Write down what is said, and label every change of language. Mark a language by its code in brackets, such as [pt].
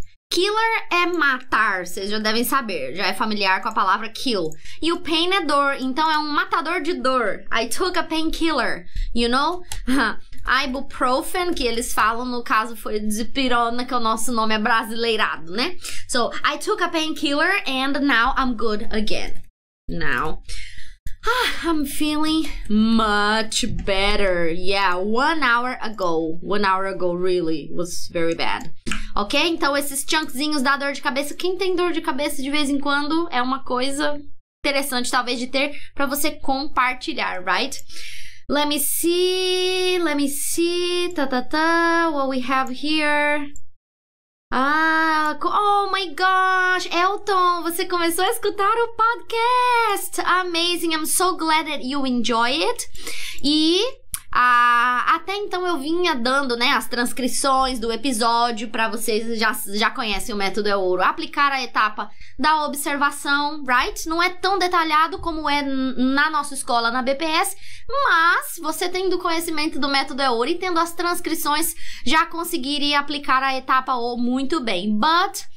[pt] Killer é matar, vocês já devem saber, já é familiar com a palavra kill. E o pain é dor, então é um matador de dor. [en] I took a painkiller, you know? [pt] Ibuprofen, que eles falam, no caso foi dipirona, que o nosso nome é brasileirado, né? [en] So, I took a painkiller and now I'm good again. Now, I'm feeling much better. Yeah, one hour ago, really, was very bad. Ok? [pt] Então, esses chunkzinhos da dor de cabeça, quem tem dor de cabeça de vez em quando, é uma coisa interessante, talvez, de ter pra você compartilhar, [en] right? Let me see, ta-ta-ta, what we have here. [pt] Ah, [en] oh my gosh, [pt] Elton, você começou a escutar o podcast. [en] Amazing, I'm so glad that you enjoy it. [pt] E... até então eu vinha dando, né, as transcrições do episódio pra vocês, já conhecem o método é ouro, aplicar a etapa da observação, [en] right? [pt] Não é tão detalhado como é na nossa escola, na BPS, mas você tendo conhecimento do método é ouro e tendo as transcrições, já conseguiria aplicar a etapa ouro muito bem, [en] but...